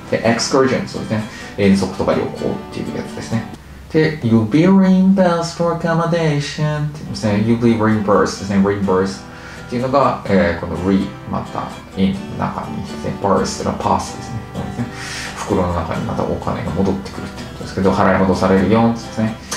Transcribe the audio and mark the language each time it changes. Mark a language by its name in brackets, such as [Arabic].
[Japanese] で、エクスカージョン、そうですね。遠足とか旅行っていうやつですね。 [English] で、You'll be reimbursed for accommodation [Japanese] っていうんですね。 [English] You'll be reimbursed [Japanese] ですね。 reimbursed っていうのが、この re、また、in、中に、ね、burst っていうのは pass ですね。袋の中にまたお金が戻ってくるってことですけど、払い戻されるよってですね。